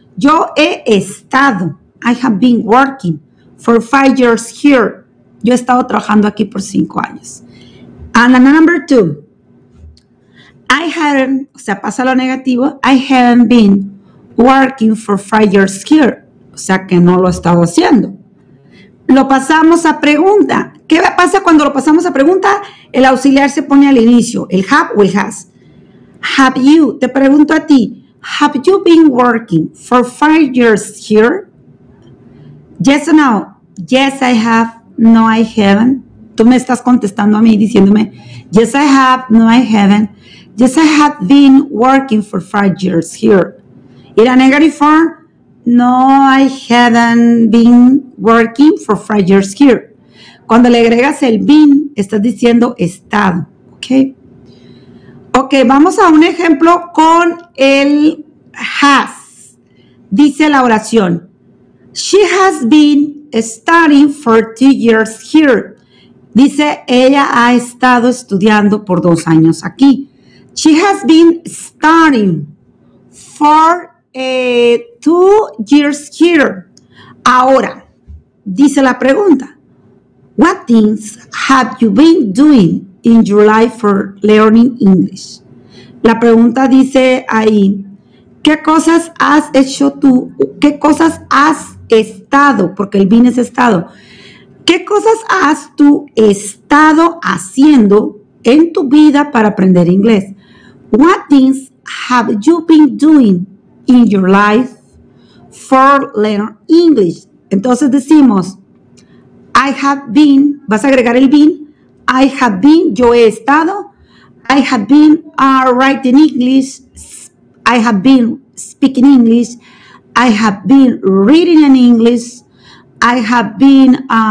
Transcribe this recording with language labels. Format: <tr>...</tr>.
<es>Yo he estado,</es> <en>I have been working for 5 years here.</en> <es>Yo he estado trabajando aquí por 5 años.</es> <en>And number two, I haven't,</en> <es>o sea, pasa lo negativo,</es> <en>I haven't been working for 5 years here.</en> <es>O sea, que no lo he estado haciendo. Lo pasamos a pregunta. ¿Qué pasa cuando lo pasamos a pregunta? El auxiliar se pone al inicio, el have o el has.</es> <en>Have you,</en> <es>te pregunto a ti.</es> <en>Have you been working for 5 years here? Yes or no? Yes, I have. No, I haven't.</en> <es>Tú me estás contestando a mí diciéndome,</es> <en>yes, I have. No, I haven't. Yes, I have been working for 5 years here. In a negative form, no, I haven't been working for 5 years here.</en> <es>Cuando le agregas el been, estás diciendo estado, ¿ok? Ok, vamos a un ejemplo con el has. Dice la oración.</es> <en>She has been studying for 2 years here.</en> <es>Dice, ella ha estado estudiando por 2 años aquí.</es> <en>She has been studying for 2 years here.</en> <es>Ahora, dice la pregunta,</es> <en>what things have you been doing in your life for learning English?</en> <es>La pregunta dice ahí, ¿qué cosas has hecho tú? ¿Qué cosas has estado? Porque el been es estado. ¿Qué cosas has tú estado haciendo en tu vida para aprender inglés?</es> <en>What things have you been doing in your life for learning English?</en> <es>Entonces decimos,</es> <en>I have been, vas a agregar el been, I have been,</en> <es>yo he estado,</es> <en>I have been writing English, I have been speaking English, I have been reading in English, I have been</en>